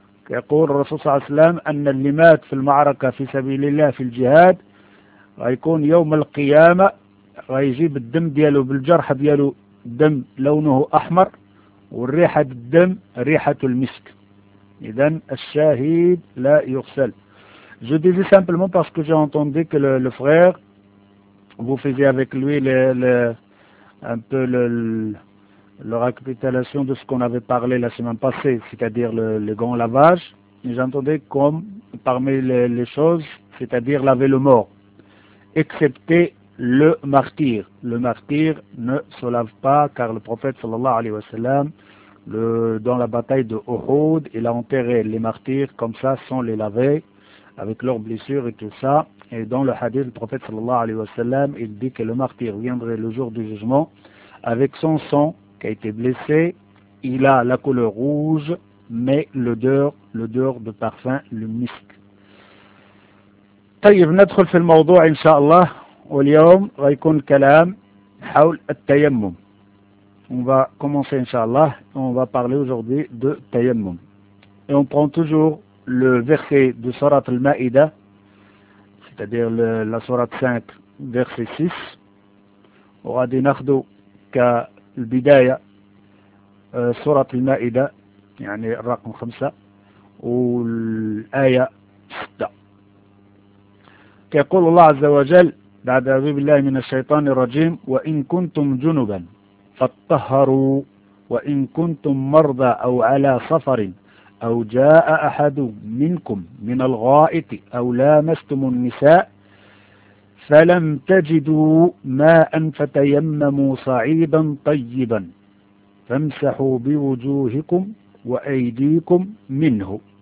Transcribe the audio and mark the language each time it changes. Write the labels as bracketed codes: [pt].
[ar] يقول الرسول صلى الله عليه وسلم أن اللي مات في المعركة في سبيل الله في الجهاد غيكون يوم القيامة غيجيب الدم دياله بالجرح دياله دم لونه أحمر، والريحة الدم ريحة المسك. إذن الشاهد لا يغسل. [fr] Je disais simplement parce que j'ai entendu que le frère vous faisiez avec lui un peu le récapitulation de ce qu'on avait parlé la semaine passée, c'est-à-dire le grand lavage. J'entendais comme parmi les choses, c'est-à-dire laver le mort, excepté le martyr. Le martyr ne se lave pas, car le prophète sallallahu alayhi wa sallam, dans la bataille de Uhud, il a enterré les martyrs comme ça, sans les laver, avec leurs blessures et tout ça. Et dans le hadith, le prophète sallallahu alayhi wa sallam, il dit que le martyr viendrait le jour du jugement avec son sang qui a été blessé. Il a la couleur rouge, mais l'odeur de parfum, le misc. [ar] طيب، ندخل في الموضوع إن شاء الله، واليوم غيكون كلام حول التيمم. [fr] On va commencer إن شاء الله، on va parler aujourd'hui de تيمم. Et on prend toujours le verset de Surat al-Ma'ida, c'est-à-dire la Surat 5, verset 6. [ar] وغادي ناخذو كالبداية Surat al-Ma'ida، يعني الرقم 5، والآية 6. يقول الله عز وجل بعد أعوذ بالله من الشيطان الرجيم وإن كنتم جنبا فاتطهروا وإن كنتم مرضى أو على سفر أو جاء أحد منكم من الغائط أو لامستم النساء فلم تجدوا ماء فتيمموا صعيدا طيبا فامسحوا بوجوهكم وأيديكم منه.